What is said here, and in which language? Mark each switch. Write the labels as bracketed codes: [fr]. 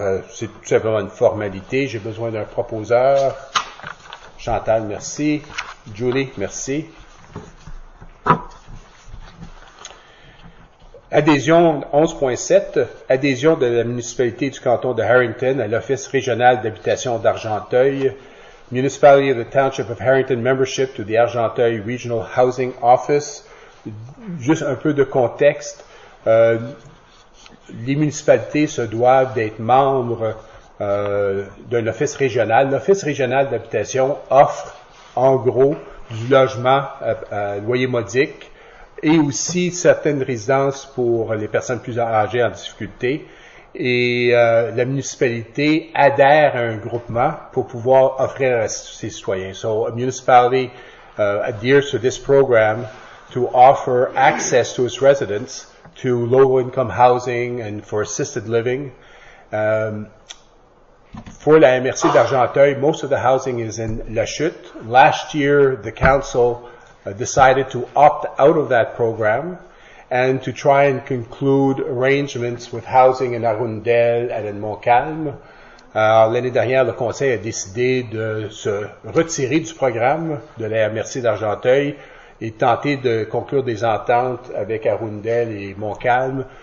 [fr] C'est tout simplement une formalité. J'ai besoin d'un proposeur. Chantal, merci. Julie, merci. Adhésion 11.7, adhésion de la municipalité du canton de Harrington à l'Office régional d'habitation d'Argenteuil. Municipality of the Township of Harrington membership to the Argenteuil Regional Housing Office. Juste un peu de contexte. Les municipalités se doivent d'être membres d'un office régional. L'office régional d'habitation offre, en gros, du logement à loyer modique et aussi certaines résidences pour les personnes plus âgées en difficulté. Et la municipalité adhère à un groupement pour pouvoir offrir à ses citoyens. [en] So a municipality adheres to this program to offer access to its residents to low-income housing and for assisted living. For la MRC d'Argenteuil, most of the housing is in La Chute. Last year, the council decided to opt out of that program and to try and conclude arrangements with housing in Arundel and in Montcalm. [fr] L'année dernière, le conseil a décidé de se retirer du programme de la MRC d'Argenteuil et tenter de conclure des ententes avec Arundel et Montcalm.